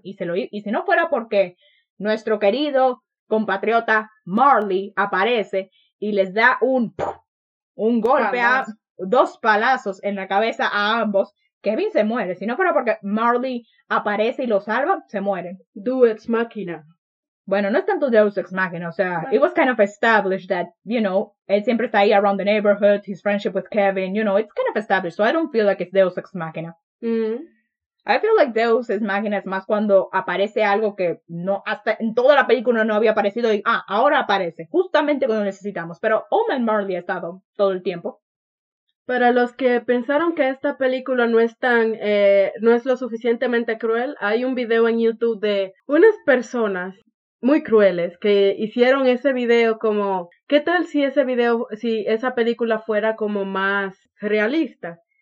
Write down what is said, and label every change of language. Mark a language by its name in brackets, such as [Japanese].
[Spanish] Y si no fuera porque nuestro querido compatriota Marley aparece y les da un golpe, dos palazos en la cabeza a ambos, Kevin se muere. Si no fuera porque Marley aparece y lo salva, se mueren. [Latin] Deus ex machina. [Spanish] Bueno, no es tanto Deus ex machina, o sea, [English] it was kind of established that, you know, [Spanish] él siempre está ahí [English] around the neighborhood, his friendship with Kevin, you know, it's kind of established, so I don't feel like it's Deus ex machina. I feel like [Spanish] Deus ex machina es más cuando aparece algo que no, hasta en toda la película no había aparecido y, ahora aparece, justamente cuando necesitamos, pero Omen Marley ha estado todo el tiempo. Para los que pensaron que esta película no es tan, no es lo suficientemente cruel, hay un video en YouTube de unas personas muy crueles que hicieron ese video como, ¿qué tal si ese video, si esa película fuera como más realista?